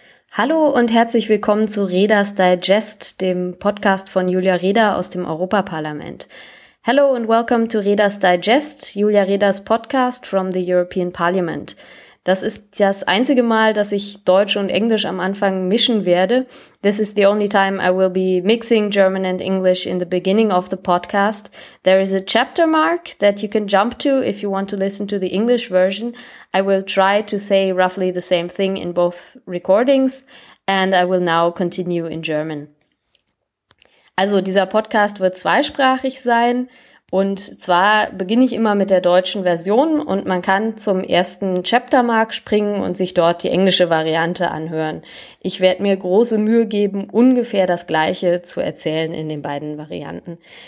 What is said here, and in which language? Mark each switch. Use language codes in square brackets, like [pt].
[de] Hallo und herzlich willkommen zu Reda's Digest, dem Podcast von Julia Reda aus dem Europaparlament. [en] Hello and welcome to Reda's Digest, Julia Reda's Podcast from the European Parliament. [de] Das ist das einzige Mal, dass ich Deutsch und Englisch am Anfang mischen werde. [en] This is the only time I will be mixing German and English in the beginning of the podcast. There is a chapter mark that you can jump to if you want to listen to the English version. I will try to say roughly the same thing in both recordings and I will now continue in German. [de] Also dieser Podcast wird zweisprachig sein. Und zwar beginne ich immer mit der deutschen Version und man kann zum ersten Chaptermark springen und sich dort die englische Variante anhören. Ich werde mir große Mühe geben, ungefähr das Gleiche zu erzählen in den beiden Varianten.